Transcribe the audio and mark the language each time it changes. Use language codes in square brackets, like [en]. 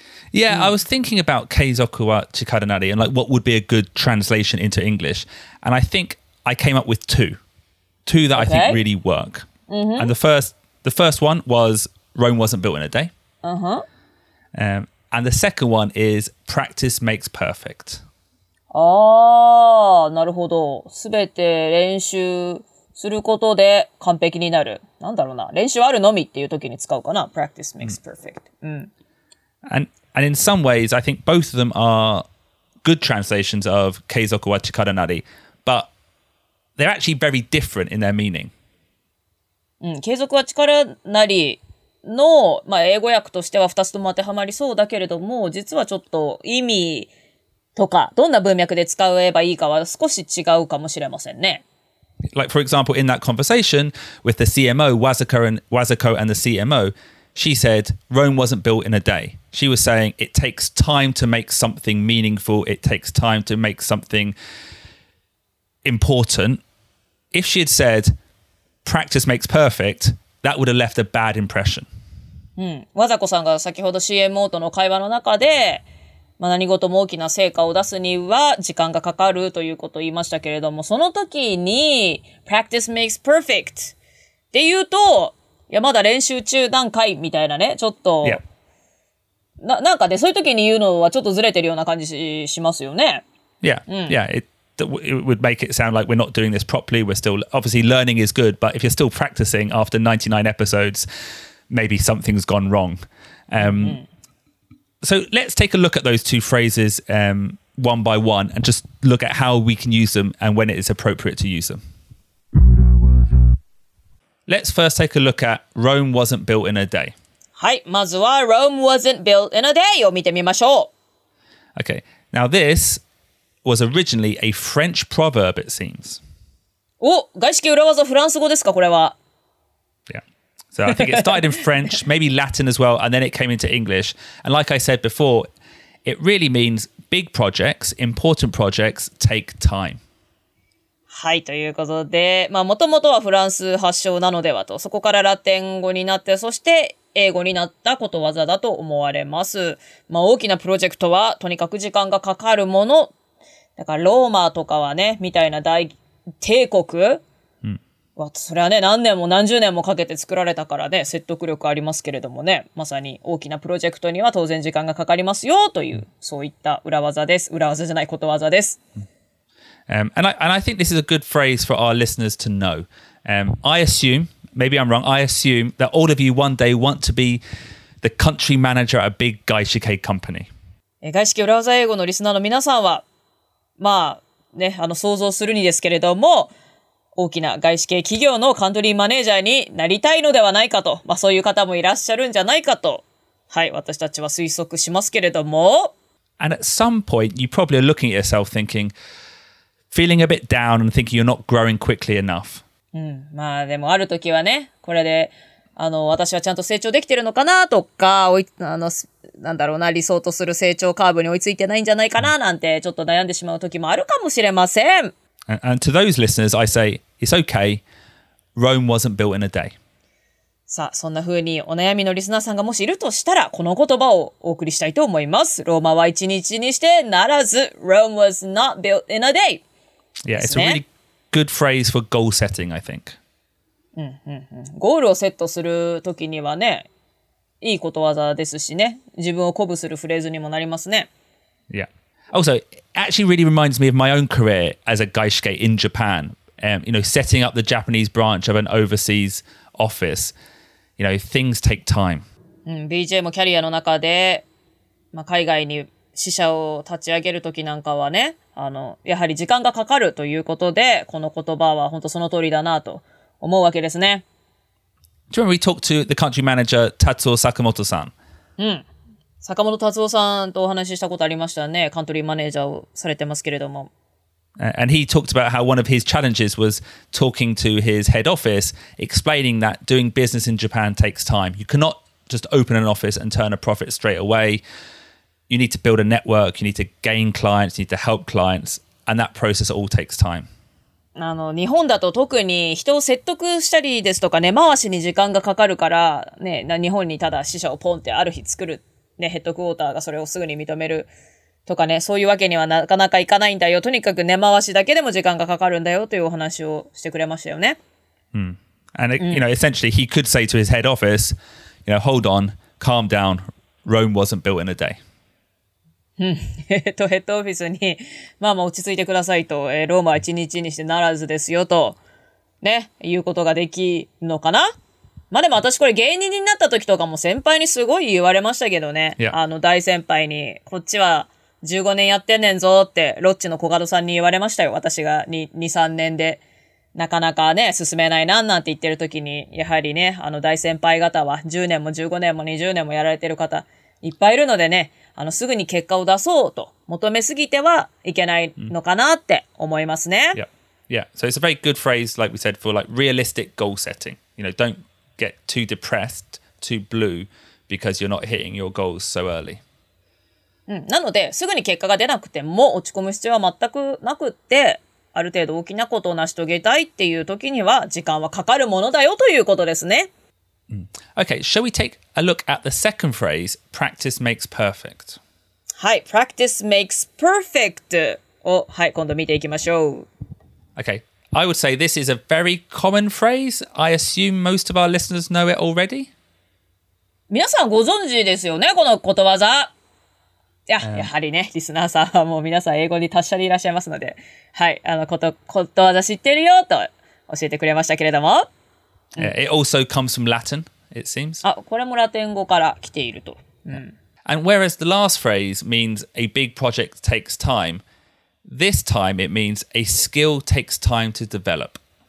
[en] Yeah, I was thinking about [ja] 継続は力なり [en] and like what would be a good translation into English. And I thinkI came up with two that、okay. I think really work.、 Mm-hmm. And the first one was Rome wasn't built in a day.、 Uh-huh. And the second one is practice makes perfect. [ja] Ah, なるほど。すべて練習することで完璧になる。なんだろうな。練習あるのみっていう時に使うかな。 [en] Practice makes perfect.、Mm. And in some ways, I think both of them are good translations of [ja] 継続は力なり, [en] but,They're actually very different in their meaning. [ja] 継続は力なりの、まあ、英語訳としては2つとも当てはまりそうだけれども、実はちょっと意味とか、どんな文脈で使えばいいかは少し違うかもしれませんね。 [en] Like, for example, in that conversation with the CMO, Wazuko and the CMO, she said, Rome wasn't built in a day. She was saying, it takes time to make something meaningful, it takes time to make something... important. If she had said practice makes perfect, that would have left a bad impression. [ja] わざこさんが先ほど CMO との会話の中で、まあ、何事も大きな成果を出すには時間がかかるということを言いましたけれども、その時に [en] practice makes perfect [ja] って言うと、いやまだ練習中段階みたいなね、ちょっと、 [en] yeah. [ja] なんかね、そういう時に言うのはちょっとずれてるような感じ しますよね。 [en] Yeah,、うん、yeah. It would make it sound like we're not doing this properly. We're still, obviously learning is good, but if you're still practicing after 99 episodes, maybe something's gone wrong.、So let's take a look at those two phrases、one by one and just look at how we can use them and when it is appropriate to use them. Let's first take a look at Rome wasn't built in a day. [ja] はい、まずは [en] Rome wasn't built in a day [ja] を見てみましょう。 [en] Okay, now this... was originally a French proverb, it seems. [ja] Oh, 外式裏技フランス語ですかこれは。 [en] Yeah. So I think it started in French, maybe Latin as well, and then it came into English. And like I said before, it really means big projects, important projects take time. [ja] はい、ということで、まあ、もともとはフランス発祥なのではと、そこからラテン語になって、そして英語になったことわざだと思われます。まあ、大きなプロジェクトは、とにかく時間がかかるもの、だからローマとかはね、みたいな大帝国、うん、それはね、何年も何十年もかけて作られたからね、説得力ありますけれどもね、まさに大きなプロジェクトには当然時間がかかりますよという、そういった裏技です。裏技じゃないことわざです。 [en] And I think this is a good phrase for our listeners to know.、I assume, maybe I'm wrong, I assume that all of you one day want to be the country manager at a big 外資系 company. [ja] 外資系裏技英語のリスナーの皆さんは、まあね、あの想像するにですけれども、大きな外資系企業のカントリーマネージャーになりたいのではないかと、まあ、そういう方もいらっしゃるんじゃないかと、はい、私たちは推測しますけれども。 [en] And at some point, you probably are looking at yourself thinking, feeling a bit down and thinking you're not growing quickly enough. [ja] うん、まあでもある時はね、これで、あの私はちゃんと成長できてるのかなとか、あのなんだろうな、理想とする成長カーブに追いついてないんじゃないかななんてちょっと悩んでしまう時もあるかもしれません。 [en] And to those listeners, I say, it's okay. Rome wasn't built in a day. [ja] さあ、そんな風にお悩みのリスナーさんがもしいるとしたら、この言葉をお送りしたいと思います。ローマは一日にしてならず、 [en] Rome was not built in a day. Yeah, it's a really good phrase for goal setting, I think. [ja] うんうんうん、ゴールをセットするときにはね、いいことわざですしね、自分を鼓舞するフレーズにもなりますね。 [en] Yeah. Also, it actually really reminds me of my own career as a 外資系 in Japan. You know, setting up the Japanese branch of an overseas office. You know, things take time. [ja] BJ もキャリアの中で、まあ、海外に支社を立ち上げるときなんかはね、やはり時間がかかるということで、この言葉は本当その通りだなと思うわけですね。 [en] Do you remember we talked to the country manager, Tatsuo Sakamoto-san? うん。 [ja] 坂本達夫さんとお話ししたことありましたね。カントリーマネージャーをされてますけれども。 [en] And he talked about how one of his challenges was talking to his head office, explaining that doing business in Japan takes time. You cannot just open an office and turn a profit straight away. You need to build a network, you need to gain clients, you need to help clients, and that process all takes time. [ja] 日本だと特に人を説得したりですとかね、回しに時間がかかるから、ね、日本にただ支社をポンってある日作る、ね、ヘッドクォーターがそれをすぐに認めるとかね、そういうわけにはなかなかいかないんだよ。とにかく根回しだけでも時間がかかるんだよというお話をしてくれましたよね。 Mm. [en] And it, you know, essentially he could say to his head office, you know, hold on, calm down, Rome wasn't built in a day. [ja] ヘッドオフィスに、まあまあ落ち着いてくださいと、ローマは一日にしてならずですよと、ね、言うことができるのかな。まあでも私これ芸人になった時とかも先輩にすごい言われましたけどね。 [en] Yeah. [ja] 大先輩に、こっちは15年やってんねんぞって、ロッチの小角さんに言われましたよ。私が2、3年で、なかなかね、進めないなんなんて言ってる時に、やはりね、大先輩方は10年も15年も20年もやられてる方いっぱいいるのでね、すぐに結果を出そうと求めすぎてはいけないのかなって思いますね。 [en] Yeah. Yeah. So it's a very good phrase, like we said, for like realistic goal setting. You know, don't get too depressed, too blue, because you're not hitting your goals so early. [ja] うん、なのですぐに結果が出なくても落ち込む必要は全くなくって、ある程度大きなことを成し遂げたいっていう時には時間はかかるものだよということですね。 [en] Okay, shall we take a look at the second phrase, practice makes perfect? [ja] はい、 [en] practice makes perfect [ja] を、はい、今度見ていきましょう。 [en] Okay, I would say this is a very common phrase. I assume most of our listeners know it already. [ja] 皆さんご存知ですよね、このことわざ。いや、やはりね、リスナーさんはもう皆さん英語に達者でいらっしゃいますので、はい、ことわざ知ってるよと教えてくれましたけれども。 [en] Yeah, it also comes from Latin, it seems. [ja] あ、これもラテン語から来ていると。 [en] Yeah. And whereas the last phrase means a big project takes time, this time it means a skill takes time to develop.